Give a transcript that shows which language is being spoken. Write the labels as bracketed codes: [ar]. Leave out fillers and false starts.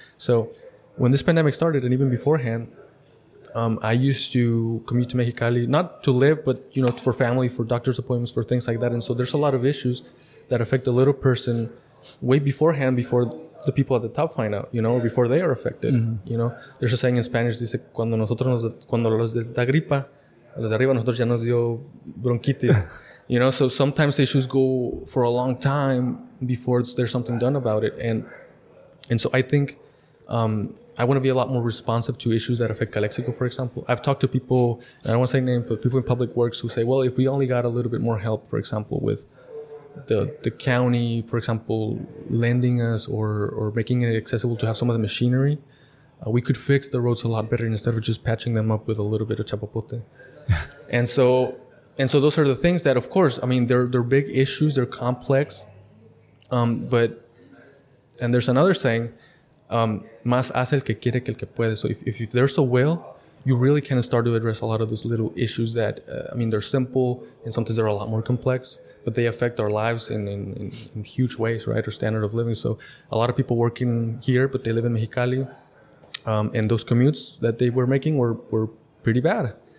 [en] So when this pandemic started and even beforehand, I used to commute to Mexicali, not to live, but, you know, for family, for doctor's appointments, for things like that. And so there's a lot of issues that affect the little person way beforehand, before the people at the top find out, you know, or before they are affected. Mm-hmm. You know, there's a saying in Spanish, [es] dice, cuando nosotros nos, cuando los de la gripa, los de arriba, nosotros ya nos dio bronquitis. [en] You know, so sometimes issues go for a long time before there's something done about it. And so I think I want to be a lot more responsive to issues that affect Calexico, for example. I've talked to people, and I don't want to say names, but people in public works who say, well, if we only got a little bit more help, for example, with the county, for example, lending us or making it accessible to have some of the machinery, we could fix the roads a lot better instead of just patching them up with a little bit of chapapote. And so those are the things that, of course, I mean, they're big issues, they're complex. But there's another saying, [es] más hace el que quiere que el que puede. [en] So if there's a will, you really can start to address a lot of those little issues that, I mean, they're simple and sometimes they're a lot more complex, but they affect our lives in huge ways, right? Our standard of living. So a lot of people working here, but they live in Mexicali. And those commutes that they were making were pretty bad.